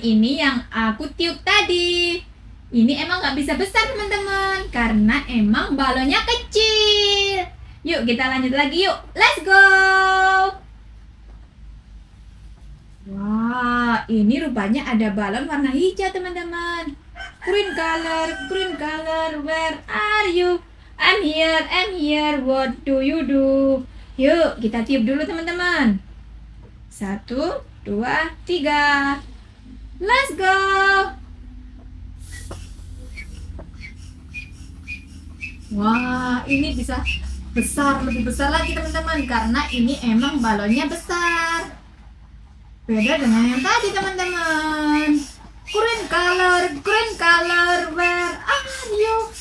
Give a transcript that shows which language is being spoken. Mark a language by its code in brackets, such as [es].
[id] Ini yang aku tiup tadi. Ini emang gak bisa besar teman-teman, karena emang balonnya kecil. Yuk kita lanjut lagi yuk. [en] Let's go. [id] Wah, ini rupanya ada balon warna hijau teman-teman. [en] Green color, green color, where are you? I'm here, what do you do? [id] Yuk, kita tiup dulu teman-teman. Satu, dua, tiga. [en] Let's go. [id] Wah, ini bisa besar, lebih besar lagi teman-teman, karena ini emang balonnya besar. Beda dengan yang tadi teman-teman. [en] Green color, green color, where are you?